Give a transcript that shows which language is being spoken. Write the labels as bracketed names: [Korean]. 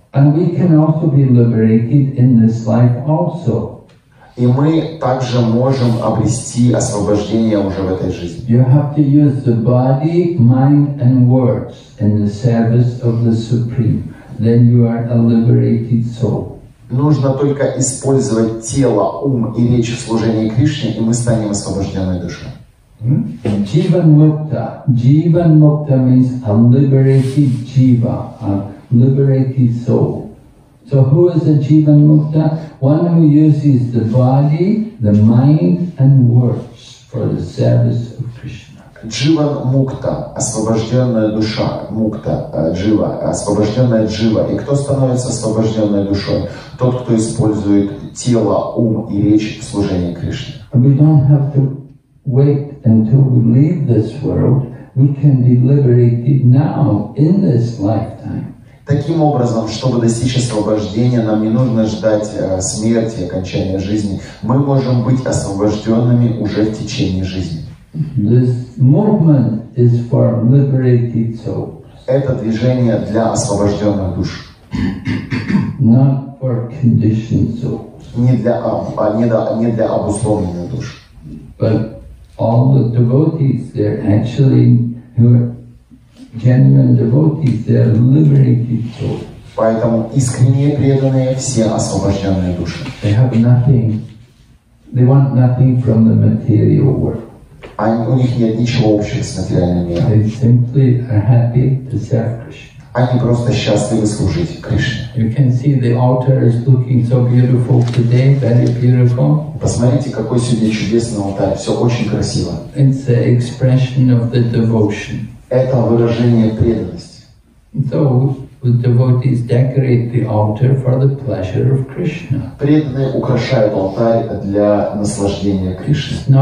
[English] And we can also be liberated in this life also. [Russian] И мы также можем обрести освобождение уже в этой жизни. [English] You have to use the body, mind and words in the service of the Supreme. Then you are a liberated soul. [Russian] Нужно только использовать тело, ум и речь в служении Кришне, и мы станем освобожденной душой. [English] Jivan-mukta. Jivan-mukta means a liberated jiva, a liberated soul. So who is a jivan-mukta? One who uses the body, the mind, and words for the service of Krishna. [Russian] Jiva mukta, освобожденная душа, mukta, jiva, освобожденная jiva. И кто становится освобожденной душой? Тот, кто использует тело, ум и речь в служении Кришне. [English] We don't have to wait until we leave this world. We can be liberated now in this lifetime. [Russian] Таким образом, чтобы достичь освобождения, нам не нужно ждать смерти, окончания жизни. Мы можем быть освобожденными уже в течение жизни. [English] This movement is for liberated souls. [Russian] Это движение для освобожденных душ. [English] Not for conditioned souls. [Russian] Не для обусловленных душ. [English] But all the devotees, they're actually who are genuine devotees, they are liberated souls. [Russian] Поэтому искренне преданные все освобожденные души. [English] They have nothing. They want nothing from the material world. [Russian] Они, у них нет ничего общего с материальным миром. [English] They simply are happy to serve Krishna. [Russian] Они просто счастливы служить Кришне. [English] You can see the altar is looking so beautiful today, very beautiful. [Russian] Посмотрите, какой сегодня чудесный алтарь. Все очень красиво. [English] It's the expression of the devotion. [Russian] Это выражение преданности. Преданные украшают алтарь для наслаждения Кришны.